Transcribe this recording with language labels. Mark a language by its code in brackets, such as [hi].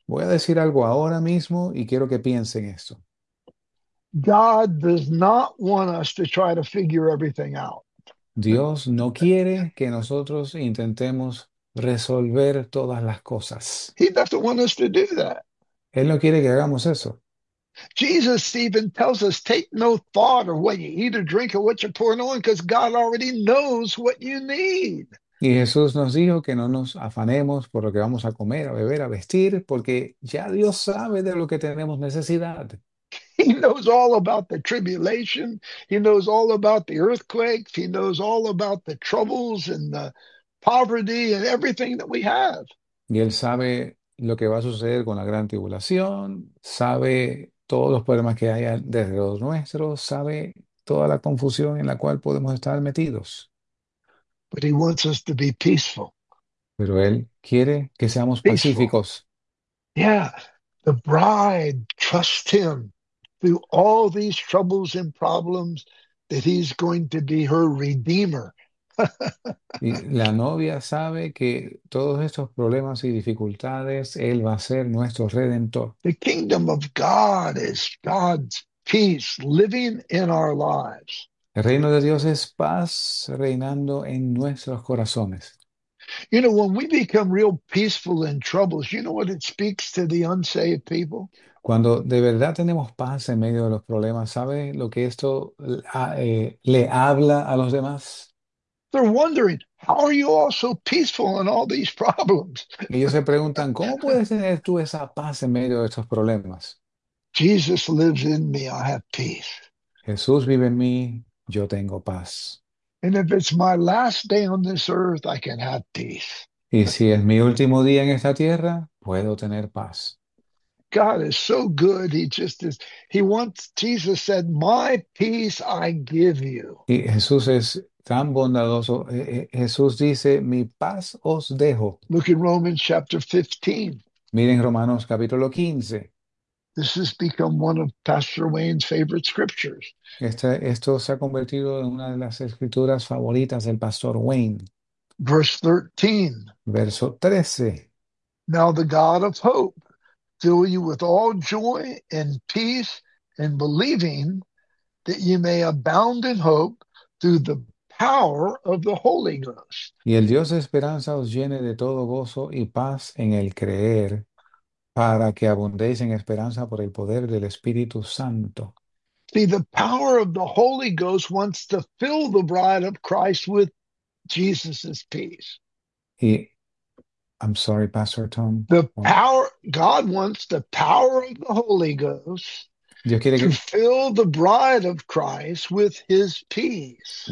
[es] Voy a decir algo ahora mismo y quiero que piensen esto. [en] God does not want us to try to figure everything out. [es] Dios no quiere que nosotros intentemos resolver todas las cosas. [en] He doesn't want us to do that. [es] Él no quiere que hagamos eso. [en] Jesus even tells us, take no thought of what you eat or drink or what you're pouring on, because God already knows what you need. [es] Y Jesús nos dijo que no nos afanemos por lo que vamos a comer, a beber, a vestir, porque ya Dios sabe de lo que tenemos necesidad. [en] He knows all about the tribulation. He knows all about the earthquakes. He knows all about the troubles and the poverty and everything that we have. [es] Y Él sabe lo que va a suceder con la gran tribulación, sabe todos los problemas que hay desde los nuestros, sabe toda la confusión en la cual podemos estar metidos. [en] But he wants us to be peaceful. [es] Pero Él quiere que seamos [en] Peaceful. [es] pacíficos. [en] Yeah. The bride trusts him through all these troubles and problems that he's going to be her redeemer. [es] Y la novia sabe que todos estos problemas y dificultades, Él va a ser nuestro redentor. [en] The kingdom of God is God's peace living in our lives. [es] El reino de Dios es paz reinando en nuestros corazones. [en] You know, when we become real peaceful in troubles, you know what it speaks to the unsaved people? [es] Cuando de verdad tenemos paz en medio de los problemas, ¿sabe lo que esto le habla a los demás? [en] They're wondering, how are you all so peaceful in all these problems? [es] Ellos se preguntan, ¿cómo puedes tener tú esa paz en medio de estos problemas? [en] Jesus lives in me, I have peace. [es] Jesús vive en mí, yo tengo paz. [en] And if it's my last day on this earth, I can have peace. [es] Y si es mi último día en esta tierra, puedo tener paz. [en] God is so good. He just is. He wants, Jesus said, my peace I give you. [es] Y Jesús es tan bondadoso. Jesús dice, mi paz os dejo. [en] Look in Romans chapter 15. [es] Miren Romanos capítulo 15. [en] This has become one of Pastor Wayne's favorite scriptures. [es] Esto se ha convertido en una de las escrituras favoritas del pastor Wayne. [en] Verse 13. [es] Verso 13. [en] Now the God of hope fill you with all joy and peace in believing that you may abound in hope through the power of the Holy Ghost. [es] Y el Dios de esperanza os llene de todo gozo y paz en el creer, para que abundéis en esperanza por el poder del Espíritu Santo. [en] See, the power of the Holy Ghost wants to fill the bride of Christ with Jesus's peace. I'm sorry, Pastor Tom. The power, God wants the power of the Holy Ghost to fill the bride of Christ with his peace.